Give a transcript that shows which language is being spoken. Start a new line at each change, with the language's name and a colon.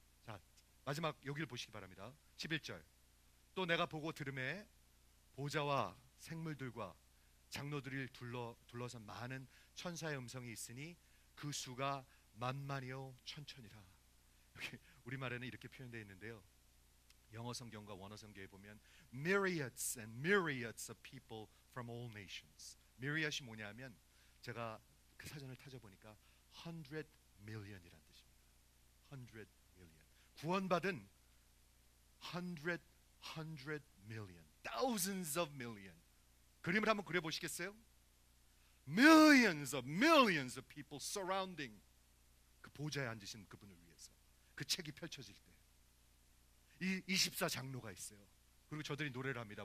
Korean: 자, 마지막 여기를 보시기 바랍니다. 11절. 또 내가 보고 들음에 보좌와 생물들과 장로들이 둘러선 많은 천사의 음성이 있으니 그 수가 만만이요 천천이라. 여기 우리말에는 이렇게 표현되어 있는데요. 영어 성경과 원어 성경에 보면
English: myriads and myriads of people from all nations.
Korean: myriad이 뭐냐면 제가 그 사전을 찾아보니까 100 million이란 뜻입니다. 100 million. 구원받은 100 million.
English: thousands of million.
Korean: 그림을 한번 그려 보시겠어요?
English: millions of people surrounding
Korean: 그 보좌에 앉으신 그분을 위해서 그 책이 펼쳐질 때 이 24장로가 있어요. 그리고 저들이 노래를 합니다.